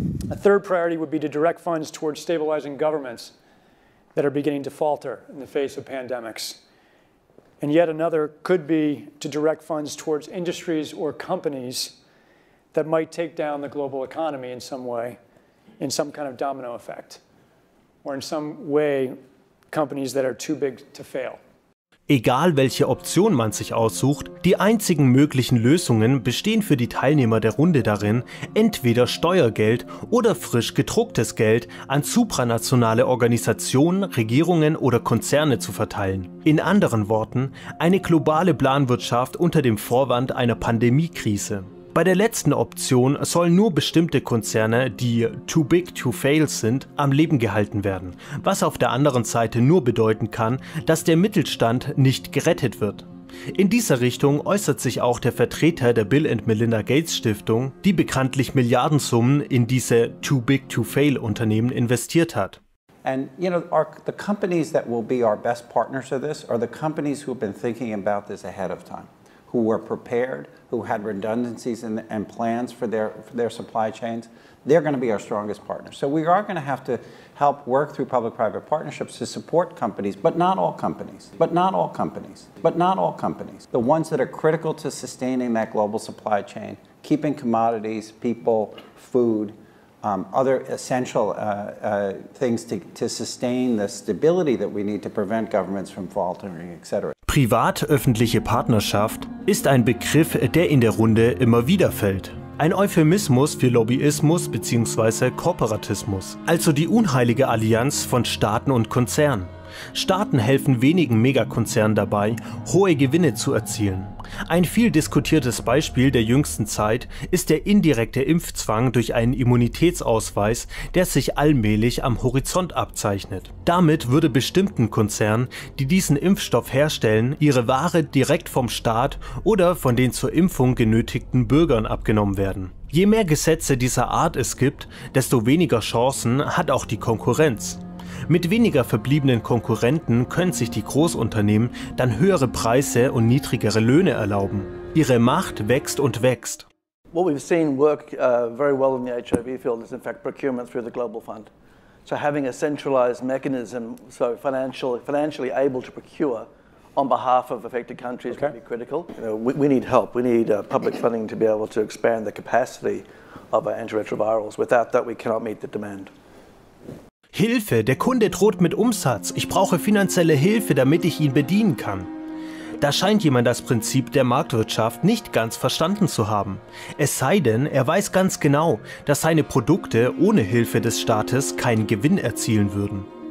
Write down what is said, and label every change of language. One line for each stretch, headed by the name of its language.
English: A third priority would be to direct funds towards stabilizing governments that are beginning to falter in the face of pandemics. And yet another could be to direct funds towards industries or companies that might take down the global economy in some way, in some kind of domino effect, or in some way companies that are too big to fail.
German: Egal, welche Option man sich aussucht, die einzigen möglichen Lösungen bestehen für die Teilnehmer der Runde darin, entweder Steuergeld oder frisch gedrucktes Geld an supranationale Organisationen, Regierungen oder Konzerne zu verteilen. In anderen Worten, eine globale Planwirtschaft unter dem Vorwand einer Pandemiekrise. Bei der letzten Option sollen nur bestimmte Konzerne, die too big to fail sind, am Leben gehalten werden, was auf der anderen Seite nur bedeuten kann, dass der Mittelstand nicht gerettet wird. In dieser Richtung äußert sich auch der Vertreter der Bill & Melinda Gates Stiftung, die bekanntlich Milliardensummen in diese too big to fail Unternehmen investiert hat.
English: And you know, the companies that will be our best partners to this are the companies who have been thinking about this ahead of time, who were prepared, who had redundancies and plans for their supply chains. They're going to be our strongest partners. So we are going to have to help work through public-private partnerships to support companies, but not all companies, but not all companies, but not all companies. The ones that are critical to sustaining that global supply chain, keeping commodities, people, food, other essential things to sustain the stability that we need to prevent governments from faltering, etc.
German: Privat-öffentliche Partnerschaft ist ein Begriff, der in der Runde immer wieder fällt. Ein Euphemismus für Lobbyismus bzw. Kooperatismus, also die unheilige Allianz von Staaten und Konzernen. Staaten helfen wenigen Megakonzernen dabei, hohe Gewinne zu erzielen. Ein viel diskutiertes Beispiel der jüngsten Zeit ist der indirekte Impfzwang durch einen Immunitätsausweis, der sich allmählich am Horizont abzeichnet. Damit würde bestimmten Konzernen, die diesen Impfstoff herstellen, ihre Ware direkt vom Staat oder von den zur Impfung genötigten Bürgern abgenommen werden. Je mehr Gesetze dieser Art es gibt, desto weniger Chancen hat auch die Konkurrenz. Mit weniger verbliebenen Konkurrenten können sich die Großunternehmen dann höhere Preise und niedrigere Löhne erlauben. Ihre Macht wächst und wächst.
English: What we've seen work very well in the HIV field is in fact procurement through the Global Fund. So having a centralized mechanism, so financially able to procure on behalf of affected countries would be critical. You know, we need help. We need public funding to be able to expand the capacity of our antiretrovirals. Without that we cannot meet the demand.
German: Hilfe, der Kunde droht mit Umsatz. Ich brauche finanzielle Hilfe, damit ich ihn bedienen kann. Da scheint jemand das Prinzip der Marktwirtschaft nicht ganz verstanden zu haben. Es sei denn, er weiß ganz genau, dass seine Produkte ohne Hilfe des Staates keinen Gewinn erzielen würden.